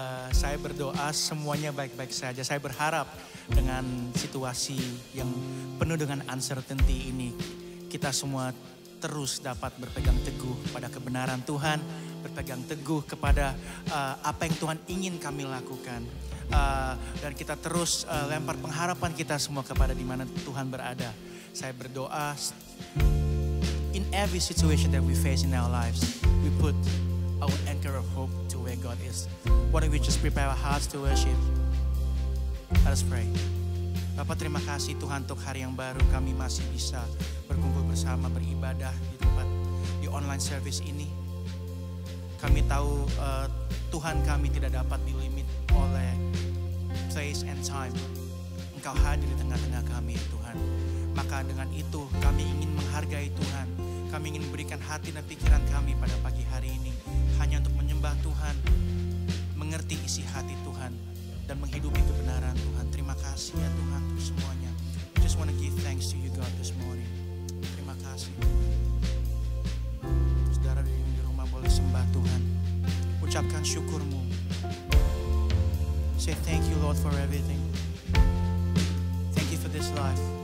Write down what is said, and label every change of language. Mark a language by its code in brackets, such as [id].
[id] Saya berdoa semuanya baik-baik saja. Saya berharap dengan situasi yang penuh dengan uncertainty ini, kita semua terus dapat berpegang teguh pada kebenaran Tuhan, berpegang teguh kepada apa yang Tuhan ingin kami lakukan. Dan kita terus lempar pengharapan kita semua kepada di mana Tuhan berada. Saya berdoa, [en] in every situation that we face in our lives, we put our anchor of hope to where God is. Why don't we just prepare our hearts to worship? Let us pray. [id] Bapa, terima kasih Tuhan untuk hari yang baru kami masih bisa berkumpul bersama, beribadah di tempat, di online service ini. Kami tahu Tuhan kami tidak dapat dilimit oleh [en] place and time. [id] Engkau hadir di tengah-tengah kami, Tuhan. Maka dengan itu, kami ingin menghargai Tuhan. Kami ingin berikan hati dan pikiran kami pada pagi hari ini hanya untuk menyembah Tuhan, mengerti isi hati Tuhan, dan menghidupi kebenaran Tuhan. Terima kasih ya Tuhan untuk semuanya. [en] Just want to give thanks to you God this morning. [id] Terima kasih. Saudara di rumah boleh sembah Tuhan. Ucapkan syukurmu. [en] Say thank you Lord for everything. Thank you for this life.